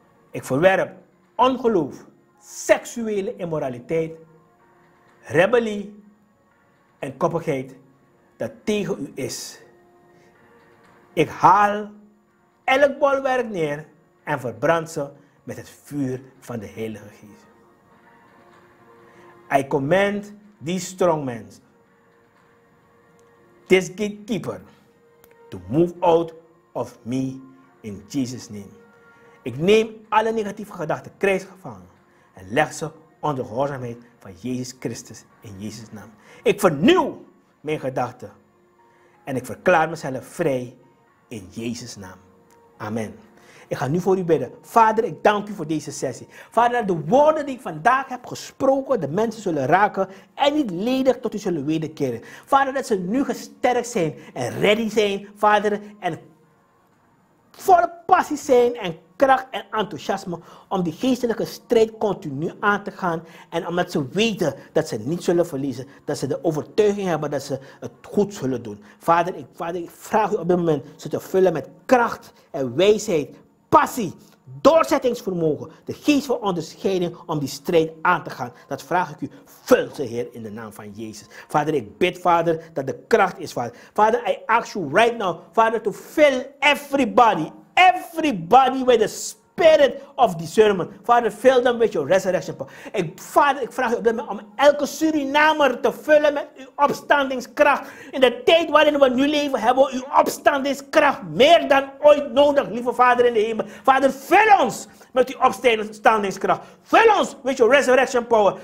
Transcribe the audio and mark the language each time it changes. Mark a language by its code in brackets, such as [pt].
[nl] Ik verwerp ongeloof, seksuele immoraliteit, rebellie en koppigheid dat tegen u is. Ik haal elk bolwerk neer en verbrand ze met het vuur van de Heilige Geest. [en] I commend these strong men, this gatekeeper, to move out of me in Jesus' name. [nl] Ik neem alle negatieve gedachten krijgsgevangen en leg ze onder gehoorzaamheid van Jezus Christus in Jezus' naam. Ik vernieuw mijn gedachten en ik verklaar mezelf vrij in Jezus' naam. Amen. Ik ga nu voor u bidden. Vader, ik dank u voor deze sessie. Vader, dat de woorden die ik vandaag heb gesproken, de mensen zullen raken en niet ledig tot u zullen wederkeren. Vader, dat ze nu gesterkt zijn en ready zijn, Vader, en volle passie zijn en kracht en enthousiasme om die geestelijke strijd continu aan te gaan en omdat ze weten dat ze niet zullen verliezen, dat ze de overtuiging hebben dat ze het goed zullen doen. Vader, ik vraag u op dit moment ze te vullen met kracht en wijsheid, passie, doorzettingsvermogen, de geest van onderscheiding om die strijd aan te gaan. Dat vraag ik u, vul ze Heer in de naam van Jezus. Vader, ik bid Vader dat de kracht is Vader. [en] Vader, I ask you right now, Vader, to fill everybody with the spirit of discernment. Vader, fill them with your resurrection power. [nl] Vader, ik vraag u op dit moment om elke Surinamer te vullen met uw opstandingskracht. In de tijd waarin we nu leven, hebben we uw opstandingskracht meer dan ooit nodig, lieve Vader in de hemel. Vader, vul ons met uw opstandingskracht. Vul ons met uw [en] resurrection power.